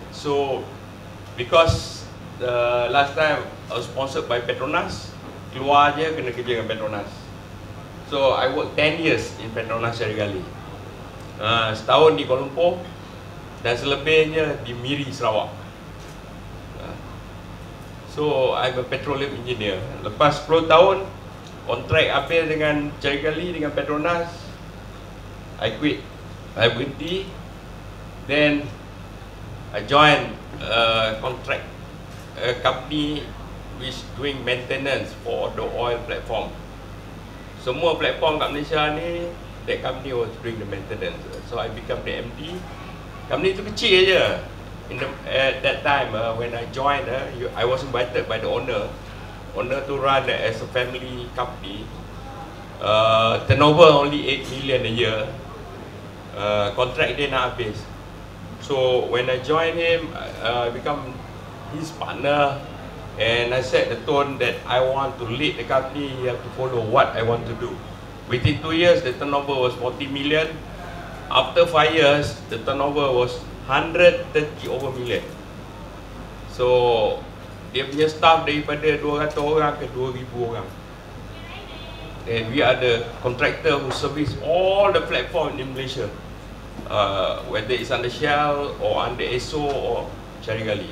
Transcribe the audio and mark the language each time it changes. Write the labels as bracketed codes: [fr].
[en] So, because the last time I was sponsored by Petronas, [ms] keluar je kena kerja dengan Petronas. [en] So I work 10 years in Petronas Sri Gali. [ms] Setahun di Kuala Lumpur dan selebihnya di Miri, Sarawak. [en] So I'm a petroleum engineer. [ms] Lepas 10 tahun kontrak habis dengan Sri Gali dengan Petronas, [en] I quit. [ms] I berhenti. [en] Then I join contract a company which doing maintenance for the oil platform. [ms] Semua platform kat Malaysia ni, [en] that company was doing the maintenance. So I become the MD. [ms] Company tu kecil aja. [en] In the, at that time when I joined, I was invited by the owner. Owner tu run as a family company. Turnover only 8 million a year. [ms] Contract dia nak habis. [en] So when I joined him, I become his partner, and I set the tone that I want to lead the company. You have to follow what I want to do. Within 2 years, the turnover was 40 million. After 5 years, the turnover was 130 over million. So [ms] Dia punya staff daripada 200 orang ke 2,000 orang. [en] And we are the contractor who service all the platform in Malaysia. Whether it's under Shell or under ESO or Cari Gali.